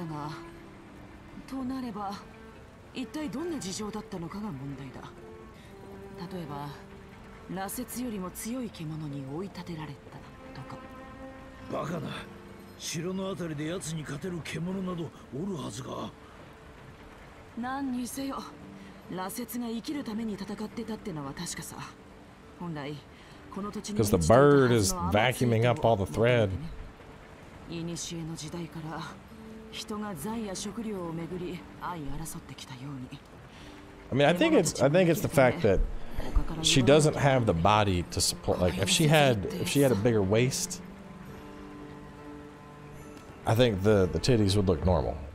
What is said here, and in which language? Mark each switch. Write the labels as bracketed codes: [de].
[ja] ろくに甘ついと取り込めていなかったのだろうね。島に現れたのも飢えを満たすためと考えていいだろう。待て、奴はなぜわざわざ増えてな場所である島に現れたのだ。城からは秋暮れの峡谷の方がよほど出やすかろう。他の場所に行けず島に来ざるを得ない事情があった。そう考えるのが自然だが、となれば 一体どんな事情だったのかが問題だ。例えば羅刹よりも強い獣に追い立てられたとか。バカな。城のあたりで奴に勝てる獣など居るはずが。何にせよ、羅刹が生きるために戦ってたってのは確かさ。本来この土地に。 [en] Because the bird is vacuuming up all the thread. [ja] 古い時代から 人が財や食料をめぐり相争ってきたように。 [en] I mean, I think it's the fact that she doesn't have the body to support. Like, if she had a bigger waist, I think the titties would look normal.